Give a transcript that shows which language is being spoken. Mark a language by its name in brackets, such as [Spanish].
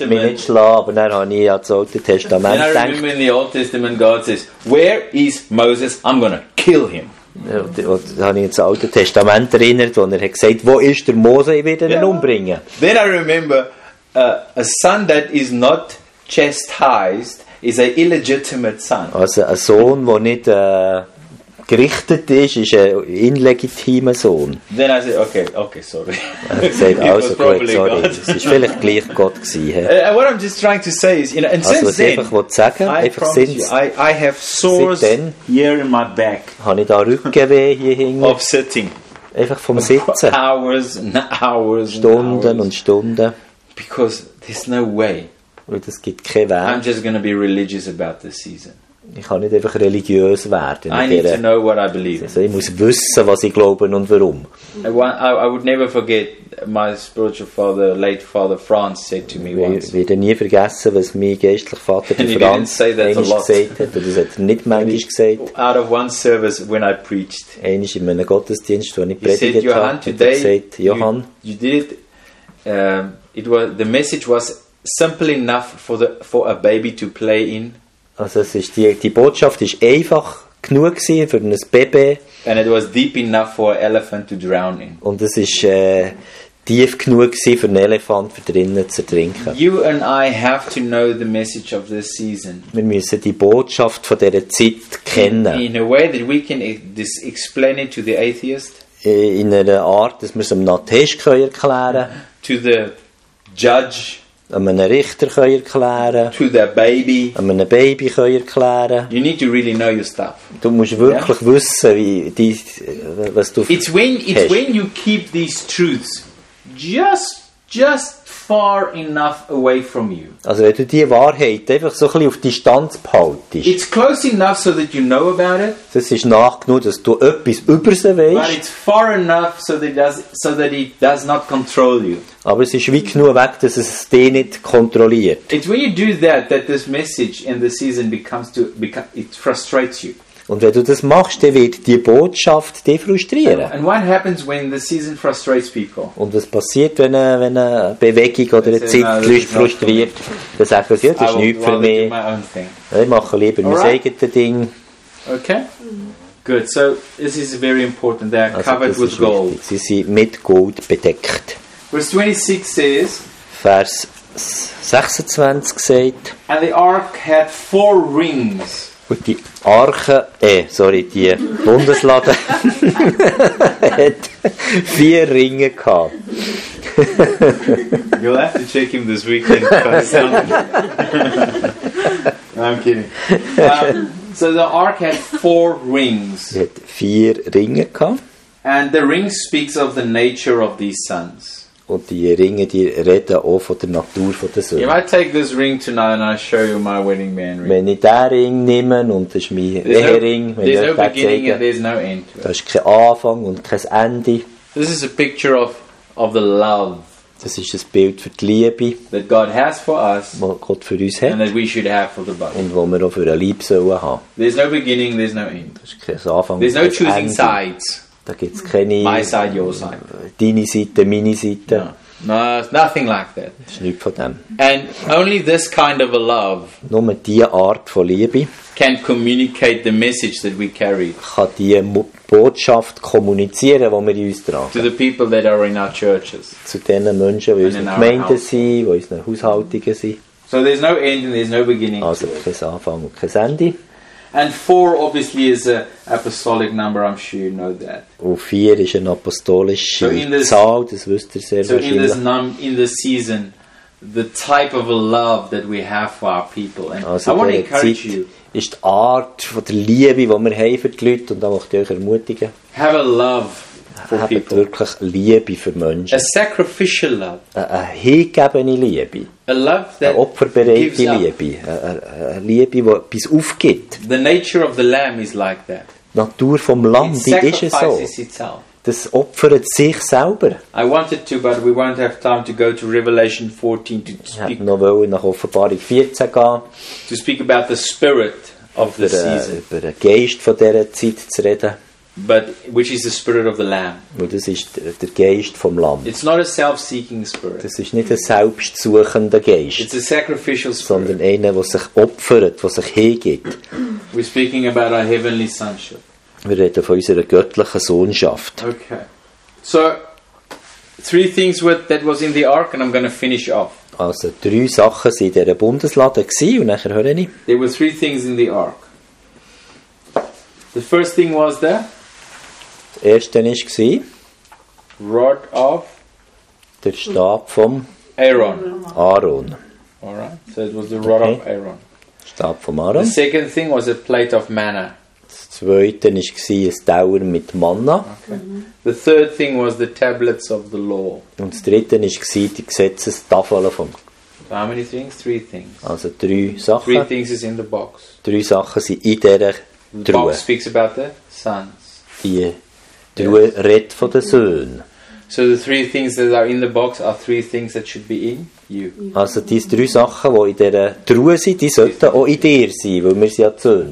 [German] Wird mich nicht schlagen, aber dann habe ich auch den Testament gedacht. [English] Then I remember in the Old Testament, God says, where is Moses? I'm going to kill him. [German] Und da habe ich jetzt das Alte Testament erinnert, wo er hat gesagt, wo ist der Mose? Ich werde ihn umbringen. [English] Then I remember, a son that is not chastised is an illegitimate son. [German] Also ein Sohn, der nicht... gerichtet ist ein illegitimer Sohn. [English] Then I said, okay, sorry. [German] Said, also korrekt, sorry. Es ist vielleicht gleich Gott gewesen. [English] What I'm just trying to say is, you know, and [German] also, [English] since [German] einfach wollte sagen, [English] I [German] einfach [English] since you, I have sores [German] seitdem, [English] here in my back. [German] Habe ich da Rückenweh hier hinten. [English] Of sitting. [German] Einfach vom Sitzen. [English] Hours and hours. [German] Stunden [English] and hours. [German] Und Stunden. [English] Because there's no way. [German] Weil es gibt keinen Weg. [English] I'm just going to be religious about this season. [German] Ich kann nicht einfach religiös werden. [English] I need to know what I believe. [German] Also ich muss wissen, was ich glaube und warum. [English] I would never forget my spiritual father, late father Franz said to me once. [German] Ich werde nie vergessen, was mein geistlicher Vater Franz gesagt hat. Das hat nicht manchmal gesagt. [English] Out of one service when I preached. [German] Einmal in meinem Gottesdienst, wo ich predigt habe, Johann, hat gesagt, Johann, [English] you did it. It was the message was simple enough for a baby to play in. [German] Also es ist die Botschaft ist einfach genug für ein Baby. [English] And it was deep enough for an elephant to drown in. [German] Und es ist tief genug für einen Elefant drinnen zu ertrinken. [English] You and I have to know the message of this season. [German] Wir müssen die Botschaft von dieser Zeit kennen. [English] In a way that we can explain it to the atheist. [German] In einer Art, dass wir es einem Atheist erklären können. [English] To the judge. [German] Einem Richter können erklären. [English] To the baby. [German] Einem Baby können erklären. [English] You need to really know your stuff. [German] Du musst wirklich wissen, was du hast. [English] It's when you keep these truths just far enough away from you. [German] Also wenn du die Wahrheit einfach so ein bisschen auf Distanz behaltest. [English] It's close enough so that you know about it. [German] Das ist nah genug, dass du etwas über sie weißt. [English] But it's far enough so that it does not control you. [German] Aber es ist weit genug weg, dass es dich nicht kontrolliert. [English] It's when you do that this message in the season it frustrates you. [German] Und wenn du das machst, dann wird die Botschaft dich frustrieren. [English] And what happens when the season frustrates people? [German] Und was passiert, wenn eine Bewegung oder eine Zeit die Leute frustriert? Dann sagt man, das ist nichts für mich. Ja, ich mache lieber mein eigenes Ding. [English] Okay. Good. So, this is very important. They are covered [German] also, [English] with gold. [German] Sie sind mit Gold bedeckt. [English] Verse 26 says, [German] Vers 26 sagt, [English] and the ark had four rings. [German] Und die Arche, die Bundeslade hat vier Ringe gehabt. [English] You'll have to check him this weekend. I'm kidding. So the Ark had four rings. [German] Sie hat vier Ringe gehabt. [English] And the ring speaks of the nature of these sons. [German] Und die Ringe, die reden auch von der Natur von der Söhne. [English] You might take this ring tonight and I show you my wedding man ring. [German] Wenn ich diesen Ring nehme und das ist mein Ehering, [English] no, there's no beginning and there's no end to it. [German] Da ist kein Anfang und kein Ende. [English] This is a picture of the love. [German] Das ist das Bild für die Liebe, [English] that God has for us, [German] wo Gott für uns hat [English] and that we should have for the body. [German] Und wo wir auch für eine Liebe sollen haben. [English] There's no beginning, there's no end. [German] Das ist kein Anfang [English] there's [German] und kein [English] no choosing [German] Ende. [English] Sides. [German] Da gibt's keine [English] my side, your side. [German] Deine Seite, meine Seite. [English] No, it's nothing like that. [German] Das ist nichts von dem. [English] And only this kind of a love. [German] Nur diese Art von Liebe. [English] Can communicate the message that we carry. [German] Kann die Botschaft kommunizieren, die wir in uns tragen. [English] To the people that are in our churches. [German] Zu den Menschen, die in unseren Gemeinden sind, die in unseren Haushaltungen sind. [English] So there's no end and there's no beginning. [German] Also kein Anfang und kein Ende. [English] And four obviously is an apostolic number, I'm sure you know that. [German] Und vier ist eine apostolische Zahl, das wisst ihr sehr wahrscheinlich. [English] So in this season, the type of a love that we have for our people. And [German] also [English] I want to encourage [German] Zeit [English] you. [German] Ist die Art von der Liebe, die wir haben für die Leute, und da möchte ich euch ermutigen. [English] Have a love for [German] habt [English] people. [German] Wirklich Liebe für Menschen. [English] A sacrificial love. [German] Eine hingegebene Liebe. [English] A love that [German] eine opferbereite Liebe. Eine Liebe, die etwas aufgibt. [English] The nature of the lamb is like that. [German] Die Natur vom Lamm, die ist es so. [English] Itself. [German] Das opfert sich selber. [English] I wanted to, but we won't have time to go to Revelation 14 to speak. [German] Ich wollte noch Offenbarung 14 gehen. [English] To speak about the spirit. of the season. [German] Über den Geist von dieser Zeit zu reden. [English] But which is the spirit of the Lamb? [German] Und das ist der Geist vom Lamm. [English] It's not a self-seeking spirit. [German] Das ist nicht ein selbstsuchender Geist. [English] It's a sacrificial spirit. [German] Sondern einer, der sich opfert, der sich hingibt. [English] We're speaking about our heavenly sonship. [German] Wir reden von unserer göttlichen Sohnschaft. [English] Okay. So, three things with, that was in the ark, and I'm going to finish off. [German] Also drei Sachen sind in dieser Bundeslade gewesen, und nachher höre ich. [English] There were three things in the ark. The first thing was the. [German] Das erste war gsi. [English] Rod of. [German] Der Stab vom. [English] Aaron. [German] Aaron. [English] All right. So it was the rod of Aaron. [German] Stab vom Aaron. [English] The second thing was a plate of manna. [German] Das zweite war gsi, es Tauer mit Manna. [English] Okay. Mm-hmm. The third thing was the tablets of the law. [German] Und das dritte war gsi, die Gesetzestafeln vom. [English] So how many things? Three things. [German] Also drei Sachen. [English] Three things is in the box. [German] Drei Sachen sind in dieser. [English] The Box speaks about the sons. [German] Die Truhe redt von den Söhnen. [English] So the three things that are in the box are three things that should be in you. [German] Also diese drei Sachen, die in dieser Truhe sind, die sollten auch in dir sein, weil wir sind ja Söhne.